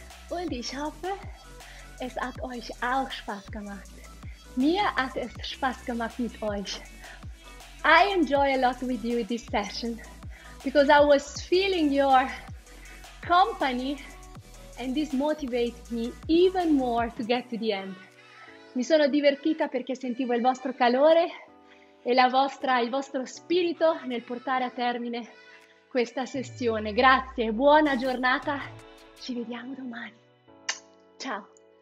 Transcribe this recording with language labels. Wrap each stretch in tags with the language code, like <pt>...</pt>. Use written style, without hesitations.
<de>Und ich hoffe, es hat euch auch Spaß gemacht. Mir hat es Spaß gemacht mit euch.</de> <en>I enjoy a lot with you this session. Because I was feeling your company. And this motivates me even more to get to the end.</en> <it>Mi sono divertita perché sentivo il vostro calore e la vostra, il vostro spirito nel portare a termine questa sessione. Grazie, buona giornata, ci vediamo domani. Ciao.</it>